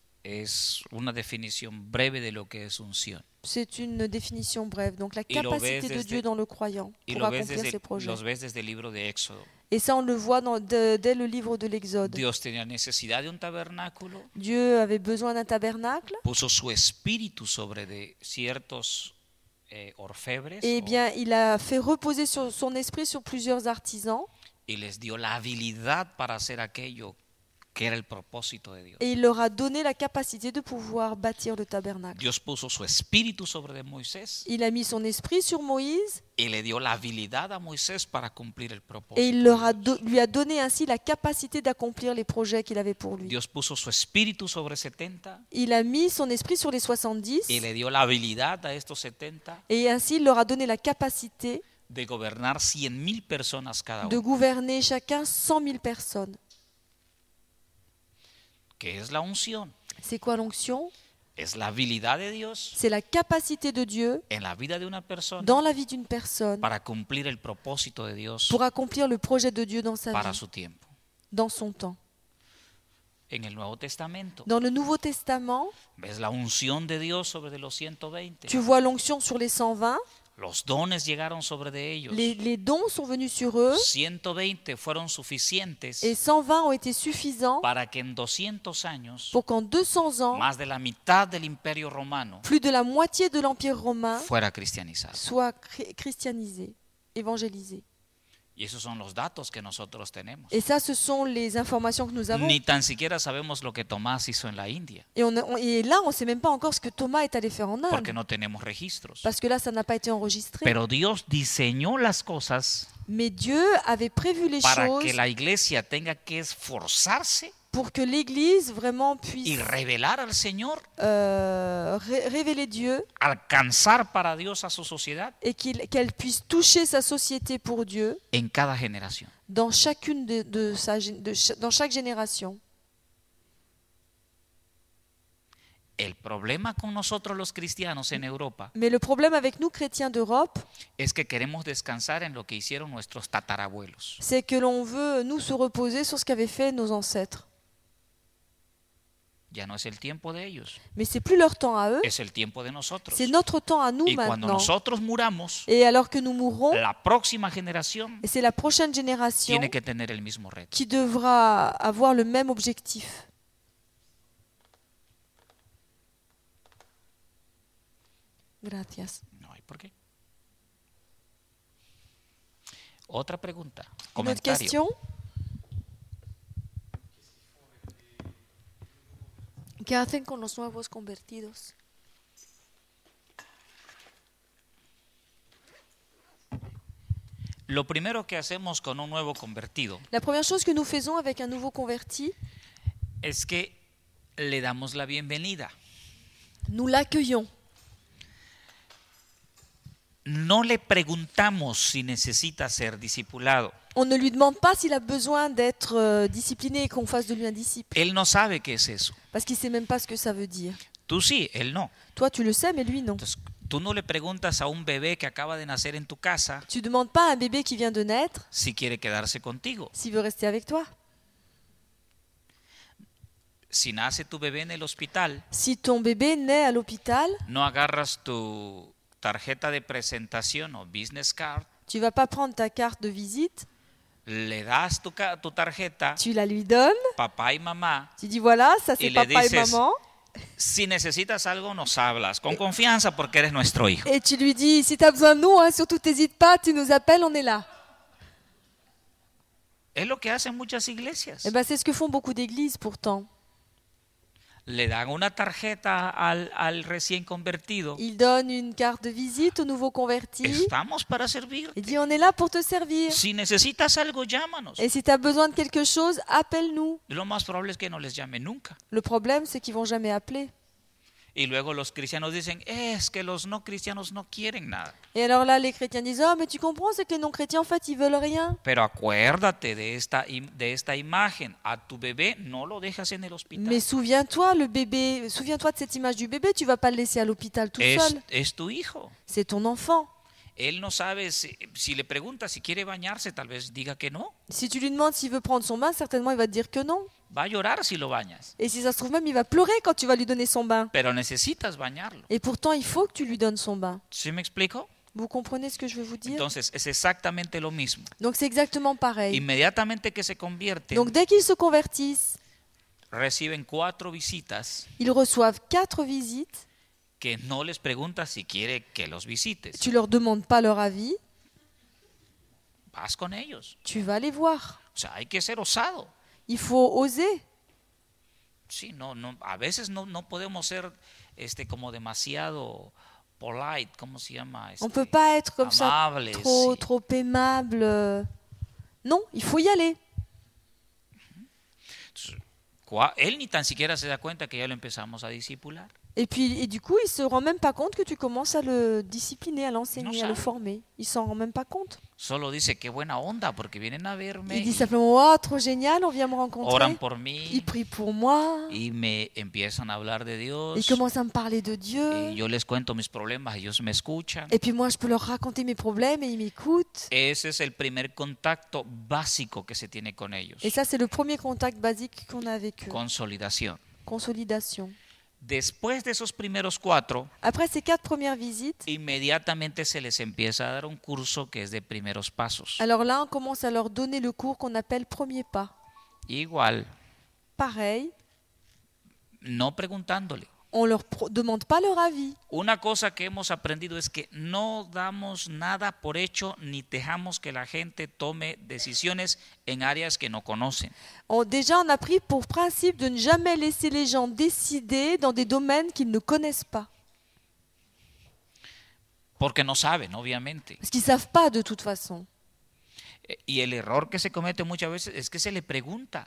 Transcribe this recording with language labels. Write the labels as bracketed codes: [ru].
[es] Es una definición breve de lo que es unción. [fr] C'est une définition brève, donc la capacité de Dieu dans le croyant pour accomplir ses projets. [es] Lo ves desde el libro de Éxodo. [fr] Et ça, on le voit dès le livre de l'Exode. [es] Dios tenía necesidad de un tabernáculo. [fr] Dieu avait besoin d'un tabernacle. [es] Puso su espíritu sobre de ciertos orfebres. [fr] Et bien, il a fait reposer son esprit sur plusieurs artisans. [es] Y les dio la habilidad para hacer aquello que era el propósito de Dios. [fr] Et il leur a donné la capacité de pouvoir bâtir le tabernacle. [es] Dios puso su espíritu sobre de Moisés. [fr] Il a mis son esprit sur Moïse. [es] Y le dio la habilidad a Moisés para cumplir el propósito. [fr] Et il leur a lui a donné ainsi la capacité d'accomplir les projets qu'il avait pour lui. [es] Dios puso su espíritu sobre 70. [fr] Il a mis son esprit sur les 70. [es] Y le dio la habilidad a estos 70. [fr] Et ainsi il leur a donné la capacité [es] de gobernar 100,000 personas cada uno. [fr] De gouverner chacun 100,000 personnes. [es] ¿Qué es la unción? [fr] C'est quoi l'onction? [es] Es la habilidad de Dios. [fr] C'est la capacité de Dieu. [es] En la vida de una persona. [fr] Dans la vie d'une personne. [es] Para cumplir el propósito de Dios. [fr] Pour accomplir le projet de Dieu dans sa vie. [es] Para su tiempo. [fr] Dans son temps. [es] En el Nuevo Testamento. [fr] Dans le Nouveau Testament. [es] Ves la unción de Dios sobre de los 120. [fr] Tu vois l'onction sur les 120. [es] Los dones llegaron sobre de ellos. [fr] Les dons sont venus sur eux. [es] 120 fueron suficientes. [fr] Et 120 ont été suffisants. [es] Para que en 200 años. [fr] Pour qu'en 200 ans. [es] Más de la mitad del Imperio Romano. [fr] Plus de la moitié de l'Empire romain. [es] Fuera cristianizado. [fr] Soit cristianisé, évangélisé. [es] Y esos son los datos que nosotros tenemos. [fr] Et ça, ce sont les informations que nous avons. [es] Ni tan siquiera sabemos lo que Tomás hizo en la India. [fr] Et là, on ne sait même pas encore ce que Thomas est allé faire en Inde. [es] Porque no tenemos registros. [fr] Parce que là, ça n'a pas été enregistré. [es] Pero Dios diseñó las cosas. [fr] Mais Dieu avait prévu les choses. [es] Para que la iglesia tenga que esforzarse. [fr] Pour que l'Église vraiment puisse. [es] Y revelar al Señor. [fr] Révéler Dieu. [es] Alcanzar para Dios a su sociedad. [fr] Et qu'elle puisse toucher sa société pour Dieu. [es] En cada generación. [fr] Dans chacune dans chaque génération. [es] El problema con nosotros los cristianos en Europa. [fr] Mais le problème avec nous chrétiens d'Europe. [es] Es que queremos descansar en lo que hicieron nuestros tatarabuelos. [fr] C'est que l'on veut nous se reposer sur ce qu'avaient fait nos ancêtres. [es] Ya no es el tiempo de ellos. [fr] Mais c'est plus leur temps à eux. [es] Es el tiempo de nosotros. [fr] C'est notre temps à nous maintenant. [es] Y cuando nosotros muramos. [fr] Et alors que nous mourrons. [es] La próxima generación. [fr] Et c'est la prochaine génération. [es] Tiene que tener el mismo reto. [fr] Qui devra avoir le même objectif. [es] Gracias. No hay por qué. Otra pregunta. Comentario. [fr] Une question. [es] ¿Qué hacen con los nuevos convertidos? Lo primero que hacemos con un nuevo convertido. La primera cosa que [fr] nous faisons avec un nouveau converti [es] es que le damos la bienvenida. [fr] Nous l'accueillons. [es] No le preguntamos si necesita ser discipulado. [fr] On ne lui demande pas s'il a besoin d'être discipliné et qu'on fasse de lui un disciple. [es] Él no sabe qué es eso. [fr] Parce qu'il ne sait même pas ce que ça veut dire. [es] Tú sí, él no. [fr] Toi, tu le sais, mais lui, non. [es] Entonces, tú no le preguntas a un bebé que acaba de nacer en tu casa. [fr] Tu demandes pas à un bébé qui vient de naître. [es] Si quiere quedarse contigo. [fr] S'il veut rester avec toi. [es] Si nace tu bebé en el hospital. [fr] Si ton bébé naît à l'hôpital. [es] No agarras tu tarjeta de presentación o business card. [fr] Tu vas pas prendre ta carte de visite. [es] Le das tu tarjeta. [fr] Tu la lui donnes. [es] Papá y mamá. [fr] Tu dis voilà, ça c'est papá [es] dices, [fr] y maman. [es] Si necesitas algo, nos hablas con confianza porque eres nuestro hijo. [fr] Et tu lui dis, si t'as besoin de nous, hein, surtout t'hésite pas, tu nous appelles, on est là. [es] Es lo que hacen muchas iglesias. [fr] Et ben, c'est ce que font beaucoup d'églises pourtant. [es] Le dan una tarjeta al recién convertido. [fr] Il donne une carte de visite au nouveau converti. [es] Estamos para servirte. [fr] Il dit, on est là pour te servir. [es] Si necesitas algo, llámanos. [fr] Et si t'as besoin de quelque chose, appelle-nous. [es] Lo más probable es que no les llamen nunca. [fr] Le problème, c'est qu'ils vont jamais appeler. [es] Y luego los cristianos dicen, es que los no cristianos no quieren nada. [fr] Et alors là, les chrétiens disent, oh, mais tu comprends, c'est que les non-chrétiens, en fait, ils veulent rien. [es] Pero acuérdate de esta imagen. A tu bébé, no lo dejas en el hospital. [fr] Mais souviens-toi, le bébé, souviens-toi de cette image du bébé, tu vas pas le laisser à l'hôpital tout seul. [es] Es tu hijo. [fr] C'est ton enfant. [es] Él no sabe, si le preguntas si quiere bañarse, tal vez diga que no. [fr] Si tu lui demandes s'il veut prendre son bain, certainement il va te dire que non. [es] Va a llorar si lo bañas. [fr] Et si ça se trouve même, il va pleurer quand tu vas lui donner son bain. [es] Pero necesitas bañarlo. [fr] Et pourtant, il faut que tu lui donnes son bain. [es] ¿Sí me explico? [fr] Vous comprenez ce que je veux vous dire? [es] Entonces, es exactamente lo mismo. [fr] Donc c'est exactement pareil. [es] Inmediatamente que se convierte, [fr] donc dès qu'ils se convertissent, [es] reciben cuatro visitas, [fr] ils reçoivent quatre visites. [es] Que no les pregunta si quiere que los visites. [fr] Tu leur demandes pas leur avis. [es] Vas con ellos. [fr] Tu vas les voir. [es] O sea, hay que ser osado. [fr] Il faut oser. [es] Sí, no, a veces no podemos ser como demasiado polite, ¿cómo se llama? [fr] On peut pas être comme [es] amable, [fr] ça, trop, [es] sí. [fr] Trop aimable. Non, il faut y aller. [es] Él ni tan siquiera se da cuenta que ya lo empezamos a discipular. [fr] Et du coup, il ne se rend même pas compte que tu commences à le discipliner, à l'enseigner, à le former. Il ne s'en rend même pas compte. [es] Solo dice, qué buena onda, porque vienen a verme. [fr] Il dit simplement, oh, trop génial, on vient me rencontrer. [es] Oran por mí. [fr] Ils prient pour moi. [es] Y me empiezan a hablar de Dios. [fr] Ils commencent à me parler de Dieu. [es] Y yo les cuento mis problemas, ellos me escuchan. [fr] Et puis moi, je peux leur raconter mes problèmes et ils m'écoutent. [es] Ese es el primer contacto básico que se tiene con ellos. [fr] Et ça, c'est le premier contact basique qu'on a avec eux. [es] Consolidación. [fr] Consolidation. [es] Después de esos primeros cuatro, [fr] après ces quatre premières visites, [es] inmediatamente se les empieza a dar un curso que es de primeros pasos. [fr] Alors là, on commence à leur donner le cours qu'on appelle premier pas. [es] Igual. [fr] Pareil. [es] No preguntándole. [fr] On leur demande pas leur avis. [es] Una cosa que hemos aprendido es que no damos nada por hecho ni dejamos que la gente tome decisiones en áreas que no conocen. [fr] Déjà, on a pris pour principe de ne jamais laisser les gens décider dans des domaines qu'ils ne connaissent pas. [es] Porque no saben, obviamente. [fr] Parce qu'ils savent pas de toute façon. [es] Y el error que se comete muchas veces es que se le pregunta.